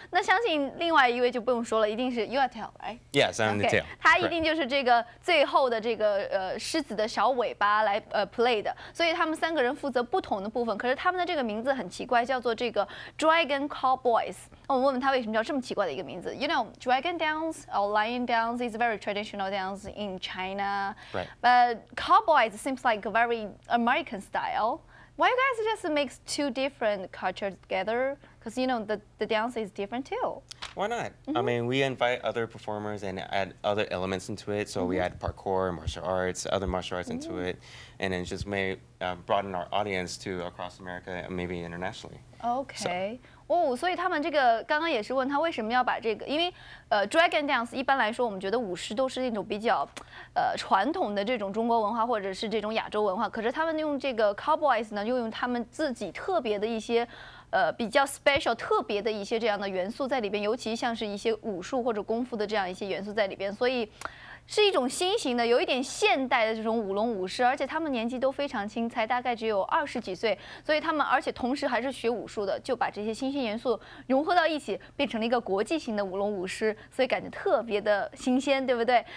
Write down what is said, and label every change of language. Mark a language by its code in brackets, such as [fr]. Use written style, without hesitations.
[zh] 那相信另外一位就不用说了，一定是 [en] you are tail, right? Yes, I'm the tail. [zh] 他一定就是这个最后的这个狮子的小尾巴来play 的。所以他们三个人负责不同的部分，可是他们的这个名字很奇怪，叫做这个 Dragon Cowboys。我们问问他为什么叫这么奇怪的一个名字。 [en] You know, dragon dance or lion dance is very traditional dance in China. Right. But cowboys seems like a very American style. Why you guys just mix two different cultures together? Because, you know, the dance is different too. Why not? Mm-hmm. I mean, we invite other performers and add other elements into it. So mm-hmm. we add parkour, martial arts, other martial arts into mm-hmm. it. And then just may broaden our audience to across America and maybe internationally. Okay. [zh] So,哦、oh, ，所以他们这个刚刚也是问他为什么要把这个，因为dragon dance 一般来说我们觉得舞狮都是那种比较传统的这种中国文化或者是这种亚洲文化，可是他们用这个 cowboys 呢，又用他们自己特别的一些比较 special 特别的一些这样的元素在里边，尤其像是一些武术或者功夫的这样一些元素在里边，所以是一种新型的，有一点现代的这种舞龙舞狮，而且他们年纪都非常轻，才大概只有二十几岁，所以他们而且同时还是学武术的，就把这些新兴元素融合到一起，变成了一个国际型的舞龙舞狮，所以感觉特别的新鲜，对不对？